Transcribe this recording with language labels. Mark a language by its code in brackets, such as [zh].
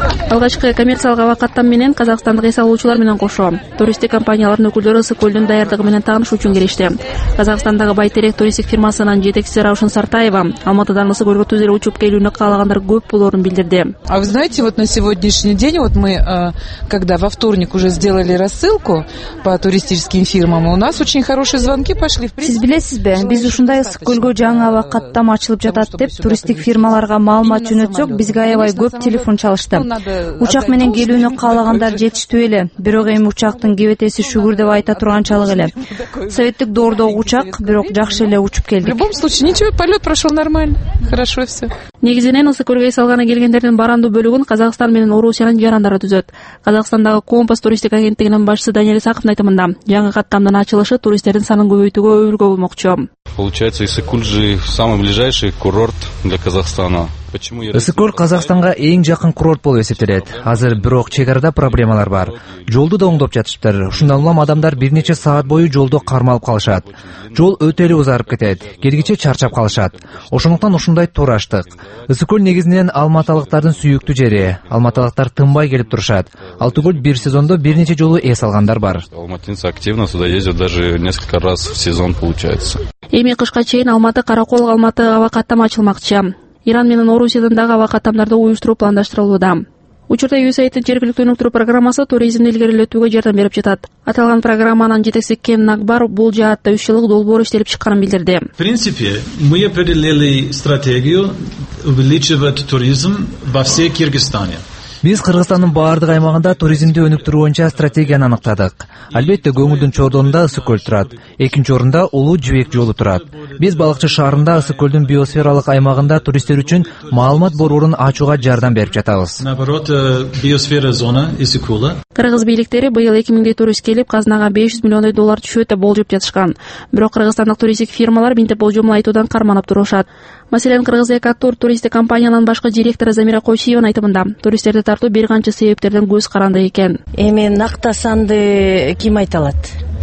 [ky] Алгачкы коммерциялык аба каттам менен Казакстандык эс алуучулар менен кошо туристтик компаниялардын өкүлдөрү Ысык Көлдүн даярдыгы менен таанышуу үчүн келишти. Казакстандагы Байтерек туристтик фирмасынын жетекчиси Раушан Сартаева Алматыдан Ысык Көлгө түз эле учуп келүүнү каалагандар көп болорун билдирди. [ru] А вы знаете, вот на сегодняшний день вот мы когда во вторник уже сделали рассылку по туристическим фирмам, у нас очень хорошие звонки пошли. [ky] Сиз билесизби, биз ушундай Ысык Көлгө жаңы аба каттам ачылып жатат деп туристтик фирмаларга маалымат жөнөтсөк, бизге аябай көп телефон чалышты. Учак менен келүүнү каалагандар жетиштүү эле, бирок эми учактын кебетеси шүгүр деп айта турганчалык эле. Советтик доордогу учак, бирок жакшы эле учуп келдик. [ru] В любом случае, ничего, полет прошел нормально. Хорошо все. [ky] Негизинен Ысык Көлгө эс алганы келгендердин барандуу бөлүгүн Казакстан менен Орусиянын жарандары түзөт. Казакстандагы Компас туристтик агенттигинин башчысы Даниэль Исаковдун айтымында, жаңы каттамдын ачылышы туристтердин санын көбөйтүүгө өбөлгө болмокчу. [ru] Получается, Ысык Көл же самый ближайший курорт для Казахстана. [ky] Ысык-көл Казакстанга эң жакын курорт болуп эсептелет. Азыр бирок чек арада проблемалар бар. Жолду да оңдоп жатышыптыр. Ушундан улам адамдар бир нече саат бою жолдо кармалып калышат. Жол өтө эле узарып кетет. Келгиче чарчап калышат. Ошондуктан ушундай тур ачтык. Ысык-көл негизинен алматалыктардын сүйүктүү жери. Алматалыктар тынбай келип турушат. Алтыгөл бир сезондо бир нече жолу эс алгандар бар. [ru] Алматинцы активно сюда ездят, даже несколько раз в сезон получается. [ky] Эми кышка чейин Алматы Каракол Алматы абакаттам ачылмакчы. Иран менен Орусиядагы абакаттамдарды уюштуруу пландаштырылууда. Учурда USAID'ın жергиликтүү өнүктүрүү программасы туризмди илгерилетүүгө жардам берип жатат. Аталган программанын жетекчиси Кен Накбар бул жаатта 3 жылдык долбоор иштелип чыкканын билдирди. [ru] В принципе, мы определили стратегию увеличивать туризм во всей Кыргызстане. [ky] Биз Кыргызстандын баардык аймагында туризмди өнүктүрүү боюнча стратегияны аныктадык. Албетте, көңүлдүн чордонунда Ысык-көл турат. Экинчи орунда Улуу Жибек жолу турат. Биз Балыкчы шаарында Ысык-көлдүн биосфералык аймагында туристтер үчүн маалымат борборун ачууга жардам берип жатабыз. [ru] Наоборот, биосфера зона Ысык-көлү. [ky] Кыргыз бийликтери быйыл 2000 турист келип, казынага 500 миллиондой доллар түшөт деп болжоп жатышкан. Бирок кыргызстандык туристтик фирмалар мындай болжомду айтуудан карманып турушат. Маселен, Кыргыз Экотур туристтик компаниянын башкы директору Замира Койчиеванын айтымында, туристтерди тартуу бир канча себептерден көз каранды экен. Эми накта санды ким айта алат?